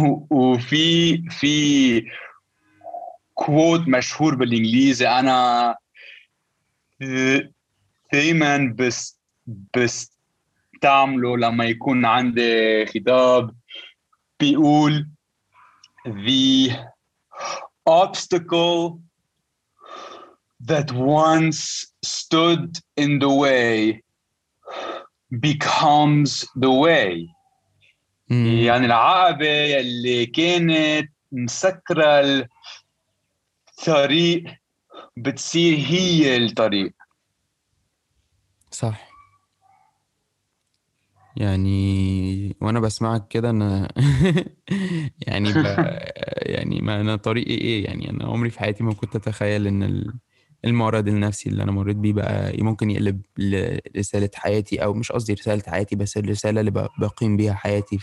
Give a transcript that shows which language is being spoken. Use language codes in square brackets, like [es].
[ar] وفي كوت مشهور بالإنجليزي أنا دايما بس تعمله لما يكون عندي خطاب، بيقول [en] the obstacle that once stood in the way becomes the way. [ar] يعني العقبة اللي كانت مسكرة الطريق بتصير هي الطريق. صح. يعني وانا بسمعك كده انا يعني يعني ما انا طريقي ايه يعني، انا عمري في حياتي ما كنت اتخيل ان المعرض النفسي اللي انا مريت بيه بقى ممكن يقلب لرسالة حياتي، او مش قصدي رسالة حياتي بس الرسالة اللي بقيم بيها حياتي.